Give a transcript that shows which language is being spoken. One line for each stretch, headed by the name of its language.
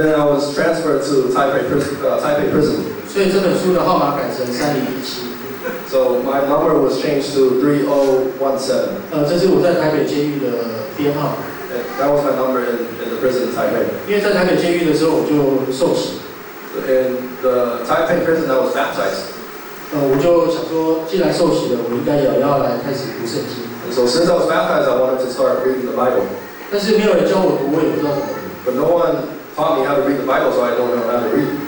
English: then I was transferred to Taipei prison.
Chinese: 所以这本书的号码改成3017。
English: So my number was changed to 3017.
Chinese: 这是我在台北监狱的编号。
English: That was my number in the prison in Taipei.
Chinese: 因为在台北监狱的时候，我就受洗。
English: In the Taipei prison, I was baptized.
Chinese: 我就想说，既然受洗了，我应该也要来开始读圣经。
English: And so since I was baptized, I wanted to start reading the Bible.
Chinese: 但是没有人教我读，我也不知道怎么读。
English: But no one taught me how to read the Bible, so I don't know how to read.